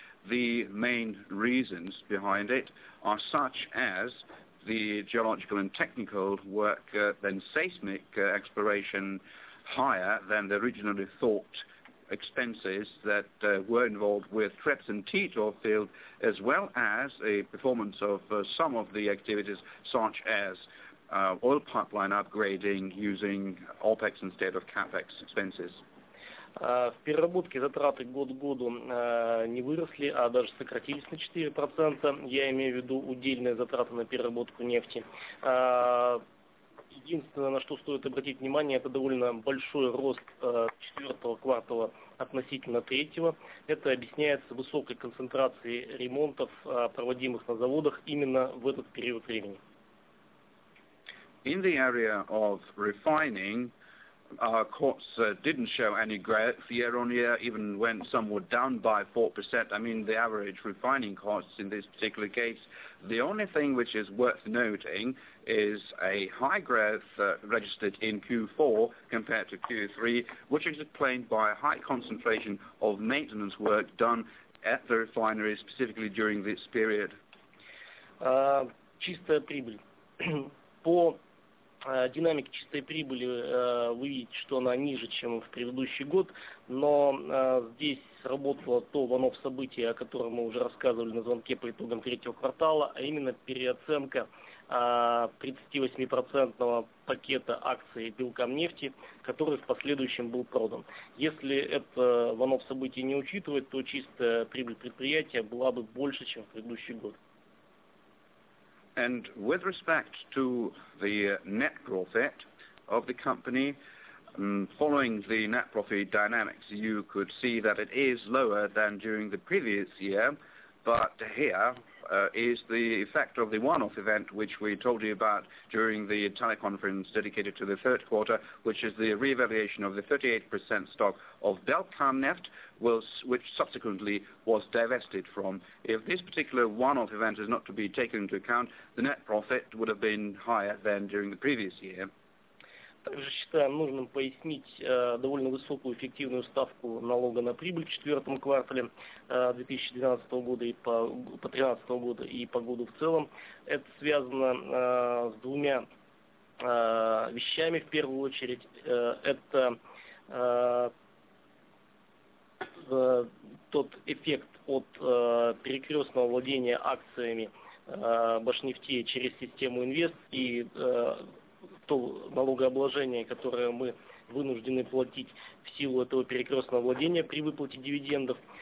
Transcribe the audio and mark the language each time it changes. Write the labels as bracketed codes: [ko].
[en] The main reasons behind it are such as the geological and technical work than seismic exploration higher than the originally thought expenses that were involved with Treps and Titov field, as well as a performance of some of the activities such as oil pipeline upgrading using OPEX instead of CAPEX expenses. [ru] В переработке затраты год к году не выросли, а даже сократились на 4%. Я имею в виду удельные затраты на переработку нефти. Единственное, на что стоит обратить внимание, это довольно большой рост четвертого квартала относительно третьего. Это объясняется высокой концентрацией ремонтов, проводимых на заводах именно в этот период времени. [en] In the area of refining, our quartz didn't show any growth year on year, even when some were down by 4%. I mean, the average refining costs in this particular case. The only thing which is worth noting is a high growth registered in Q4 compared to Q3, which is explained by a high concentration of maintenance work done at the refinery, specifically during this period. [ru] Чистая прибыль. По динамике чистой прибыли вы видите, что она ниже, чем в предыдущий год, но здесь сработало то one-off событие, о котором мы уже рассказывали на звонке по итогам третьего квартала, а именно переоценка 38% пакета акций Белкомнефти, который в последующем был продан. Если это one-off событие не учитывать, то чистая прибыль предприятия была бы больше, чем в предыдущий год. [en] And with respect to the net profit of the company, following the net profit dynamics, you could see that it is lower than during the previous year, but here is the effect of the one-off event which we told you about during the teleconference dedicated to the third quarter, which is the revaluation of the 38% stock of Belkomneft, which subsequently was divested from. If this particular one-off event is not to be taken into account, the net profit would have been higher than during the previous year. [ru] Также считаем нужным пояснить довольно высокую эффективную ставку налога на прибыль в четвертом квартале 2012 года и по 2013 года и по году в целом. Это связано с двумя вещами. В первую очередь это тот эффект от перекрестного владения акциями Башнефти через систему Инвест и то налогообложение, которое мы вынуждены платить в силу этого перекрестного владения при выплате дивидендов.